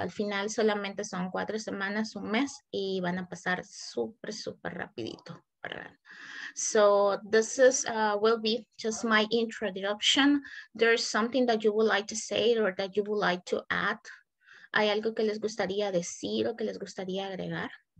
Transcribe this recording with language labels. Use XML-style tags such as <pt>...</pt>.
<es>Al final solamente son 4 semanas, 1 mes, y van a pasar súper, súper rapidito, ¿verdad?</es> <en>So this is will be just my introduction. There's something that you would like to say or that you would like to add.</en> <es>¿Hay algo que les gustaría decir o que les gustaría agregar?</es>